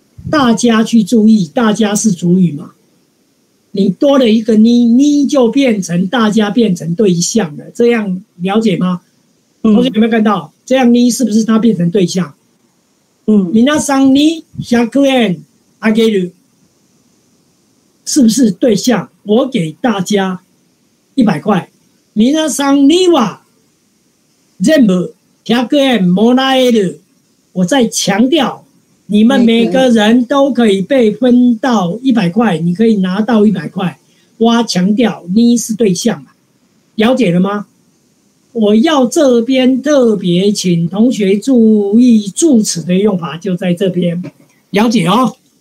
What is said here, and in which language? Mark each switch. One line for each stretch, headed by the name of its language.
Chinese: 大家去注意，大家是主语嘛？你多了一个你，你就变成大家变成对象了，这样了解吗？同学有没有看到？这样你是不是他变成对象？嗯，
Japanese: 皆さんに100円あげる，是不是对象？
Chinese: 我给大家100块。
Japanese: 皆さんには全部100円もらえる，我再强调。
Chinese: 你们每个人都可以被分到100块，你可以拿到100块。我强调你是对象，了解了吗？我要这边特别请同学注意助词的用法，就在这边了解哦。